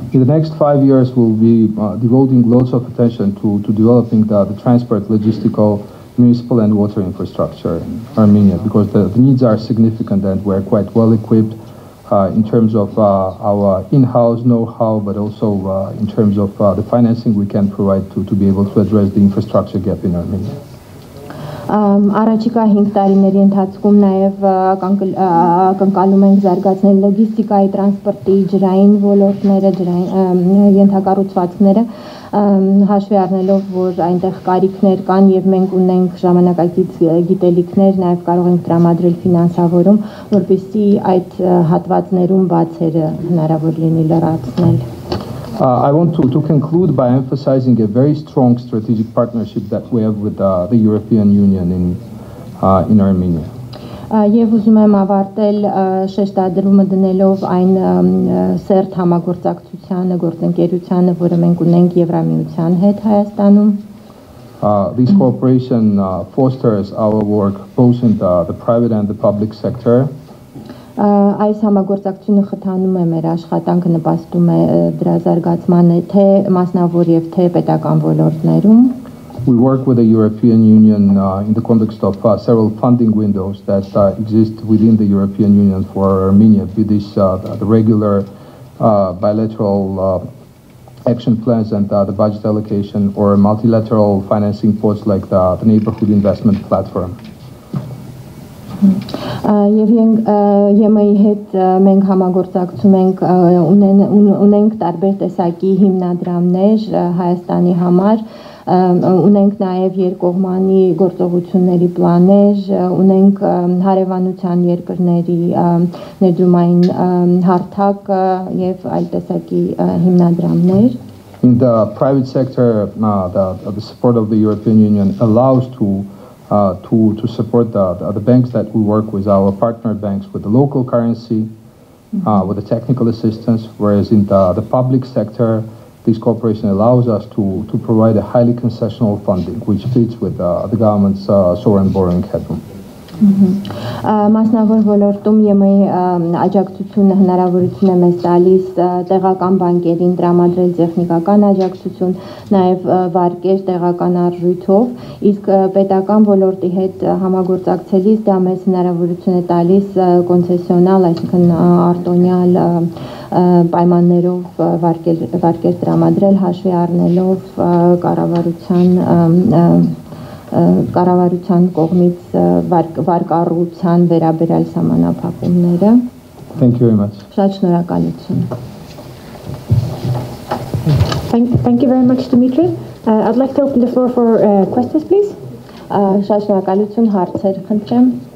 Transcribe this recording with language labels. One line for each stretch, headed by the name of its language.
English: In the next 5 years we'll be devoting lots of attention to developing the transport logistical municipal and water infrastructure in Armenia, because the needs are significant and we're quite well equipped in terms of our in-house know-how, but also in terms of the financing we can provide to be able to address the infrastructure gap in Armenia.
Armenian: Առաջիկա 5 տարիների ընթացքում նաև ակնկալում ենք զարգացնել լոգիստիկայի, տրանսպորտի, ջրային ոլորտները, ջրային ենթակառուցվածքները, հաշվի առնելով, որ այնտեղ կարիքներ կան և մենք ունենք ժամանակակից գիտելիքներ, նաև կարող ենք տրամադրել ֆինանսավորում, որպեսզի այդ հատվածներում բացերը հնարավոր լինի լրացնել.
English: I want to conclude by emphasizing a very strong strategic partnership that we have with the European Union in Armenia.
Armenian: Եվ ուզում եմ ավարտել շեշտադրումը դնելով այն սերտ համագործակցությանը, գործընկերությանը, որը մենք ունենք Եվրամիության հետ Հայաստանում.
English: This cooperation fosters our work both in the private and the public sector.
Armenian: Այս համագործակցությունը խթանում է մեր աշխատանքը, նպաստում է դրա զարգացմանը թե մասնավոր և թե պետական ոլորտներում.
English: We work with the European Union in the context of several funding windows that exist within the European Union for Armenia, be this the regular bilateral action plans and the budget allocation, or multilateral financing pots like the neighborhood investment platform.
Armenian: Եվ ԵՄ-ի հետ մենք համագործակցում ենք, ունենք տարբեր տեսակի հիմնադրամներ Հայաստանի համար, ունենք նաև երկկողմանի գործողությունների պլաներ, ունենք հարևանության երկրների ներդրումային հարթակ և այլ տեսակի հիմնադրամներ.
English: In the private sector, the support of the European Union allows to support the banks that we work with, our partner banks, with the local currency, with the technical assistance, whereas in the public sector, this cooperation allows us to provide a highly concessional funding, which fits with the government's sovereign borrowing headroom.
Armenian: Մասնավոր ոլորտում ԵՄ-ի աջակցությունը հնարավորություն է մեզ տալիս տեղական բանկերին տրամադրել տեխնիկական աջակցություն, նաև վարկեր տեղական առրույթով, իսկ պետական ոլորտի հետ համագործակցելիս դա մեզ հնարավորություն է տալիս կոնցեսիոնալ, այսինքն արտոնյալ պայմաններով վարկեր տրամադրել, հաշվի առնելով կառավարության կողմից վարկառության վերաբերյալ սահմանափակումները.
English: Thank you very much.
Armenian: Շատ շնորհակալություն.
English: Thank you very much, Dimitri. I'd like to open the floor for questions, please.
Armenian: Շատ շնորհակալություն, հարցեր խնդրեմ.